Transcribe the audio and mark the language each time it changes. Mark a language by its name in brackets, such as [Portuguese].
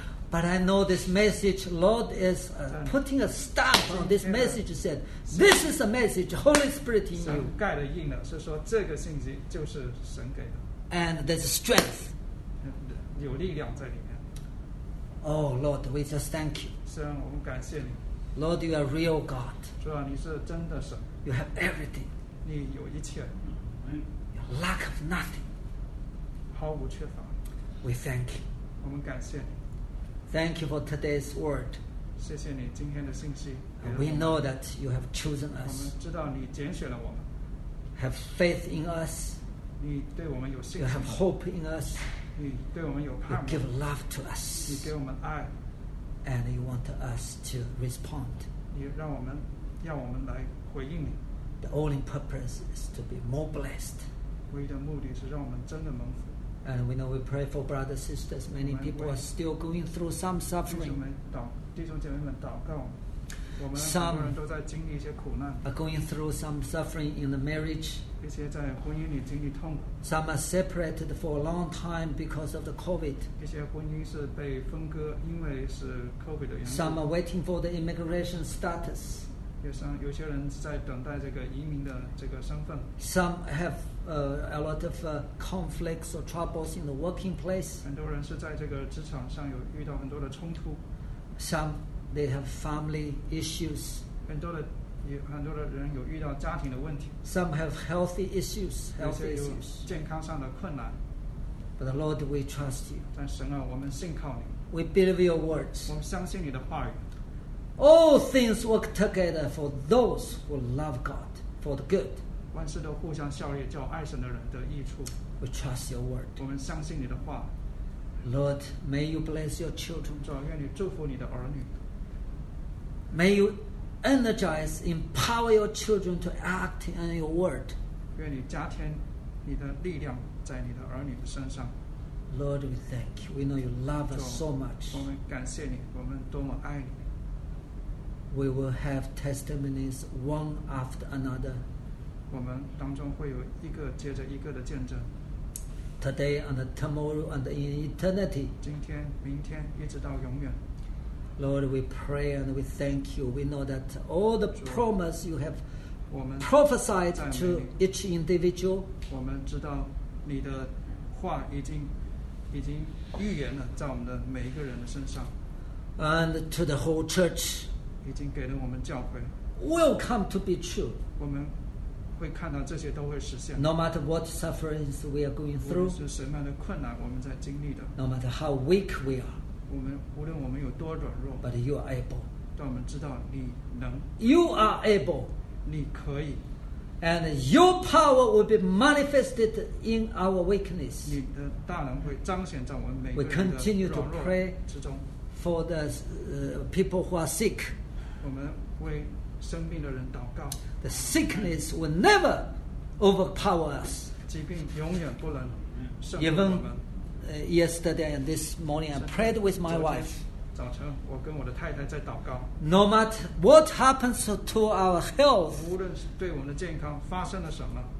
[English] But I know this message, Lord is putting a stamp on this message, said, this is a message, Holy Spirit in you. [Chinese] 神盖了印了，是说这个信息就是神给的。 [English] And there's strength. [Chinese] 有力量在里面。 [English] Oh, Lord, we just thank you. [Chinese] 神，我们感谢你。 [English] Lord, you are real God. [Chinese] 主啊，你是真的神。 [English] You have everything. [Chinese] 你有一切。 [English] You lack of nothing. [Chinese] 毫无缺乏。 [English] We thank you. [Chinese] 我们感谢你。 [English] Thank you for today's word. [Chinese] 谢谢你今天的信息。 [English] We know that you have chosen us. [Chinese] 我们知道你拣选了我们。 [English] Have faith in us. [Chinese] 你对我们有信心。 [English] You have hope in us. [Chinese] 你对我们有盼望。 [English] You give love to us. [Chinese] 你给我们爱。 [English] And you want us to respond. [Chinese] 你让我们，要我们来回应你。 [English] The only purpose is to be more blessed. [Chinese] 唯一的目的是让我们真的蒙福。 [English] And we know we pray for brothers and sisters. Many people are still going through some suffering. [Chinese] 弟兄姐妹们祷告，我们很多人都在经历一些苦难。 [English] Some are going through some suffering in the marriage. [Chinese] 一些在婚姻里经历痛苦。 [English] Some are separated for a long time because of the COVID. [Chinese] 一些婚姻是被分割，因为是 COVID 的原因。 [English] Some are waiting for the immigration status. [Chinese] 有些人在等待这个移民的这个身份。 [English] Some have a lot of conflicts or troubles in the working place. [Chinese] 很多人是在这个职场上有遇到很多的冲突。 [English] Some they have family issues. [Chinese] 很多的人有遇到家庭的问题。 [English] Some have healthy issues. Healthy issues. [Chinese] 有些有健康上的困难。 [English] But the Lord, we trust you. [Chinese] 但神啊，我们信靠你。 [English] We believe your words. [Chinese] 我们相信你的话语。 [English] All things work together for those who love God for the good. [Chinese] 万事都互相效力，叫爱神的人得益处。 [English] We trust your word. [Chinese] 我们相信你的话。 [English] Lord, may you bless your children. [Chinese] 主啊，愿你祝福你的儿女。 [English] May you energize, empower your children to act in your word. [Chinese] 愿你加添你的力量在你的儿女的身上。 [English] Lord, we thank you. We know you love us so much. [Chinese] 我们感谢你，我们多么爱你。 [English] We will have testimonies one after another. [Chinese] 我们当中会有一个接着一个的见证。 [English] Today and tomorrow and in eternity. [Chinese] 今天明天一直到永远。 [English] Lord, we pray and we thank you. We know that all the promise you have prophesied to each individual. [Chinese] 我们知道你的话已经预言了在我们的每一个人的身上。 [English] And to the whole church. [Chinese] 已经给了我们教会。 [English] Will come to be true. [Chinese] 我们会看到这些都会实现。 [English] No matter what sufferings we are going through, [Chinese] 无论是什么样的困难我们在经历的。 [English] No matter how weak we are, [Chinese] 我们无论我们有多软弱。 [English] But you are able. [Chinese] 但我们知道你能。 [English] You are able. [Chinese] 你可以。 [English] And your power will be manifested in our weakness. [Chinese] 你的大能会彰显在我们每个人的软弱之中。 [English] We continue to pray for the people who are sick. [Chinese] 我们为生病的人祷告。 [English] The sickness will never overpower us. [Chinese] 疾病永远不能胜过我们。 [English] Yesterday and this morning, I prayed with my wife. [Chinese] 早晨，我跟我的太太在祷告。 [English] No matter what happens to our health, [Chinese] 无论对我们的健康发生了什么，